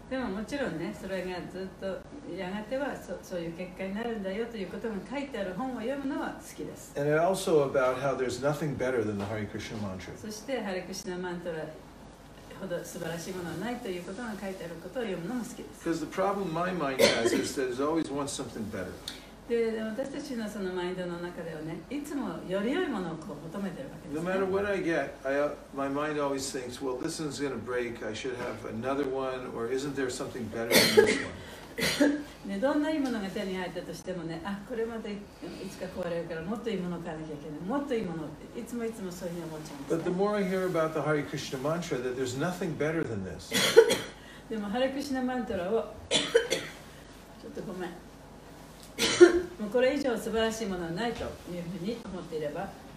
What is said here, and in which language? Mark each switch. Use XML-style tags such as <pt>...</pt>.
<ja>でも、もちろんね、それがずっとやがてはそういう結果になるんだよということが書いてある本を読むのは好きです。</ja> <en>And also about how there's nothing better than the Hare Krishna mantra.</en> <ja>そして、ハリクシナマントラほど素晴らしいものはないということが書いてあることを読むのも好きです。</ja> <en>Because the problem my mind has is that it always wants something better.</en> <ja>で、私たちのそのマインドの中ではね、いつもより良いものをこう求めてるわけです、ね。</ja> <en>No matter what I get, my mind always thinks, well, this one's going to break. I should have another one, or isn't there something better than this one?</en> <ja>ね、どんな良いものが手に入ったとしてもね、あ、これまでいつか壊れるからもっと良いものを買わなきゃいけない。もっと良いもの、いつもいつもそういうふうに思っちゃうんです。</ja> <en>But the more I hear about the Hare Krishna mantra, that there's nothing better than this.</en> <ja>でも、ハレクリシュナマントラを、ちょっとごめん。もうこれ以上素晴らしいものはないというふうに思っていれば。</ja>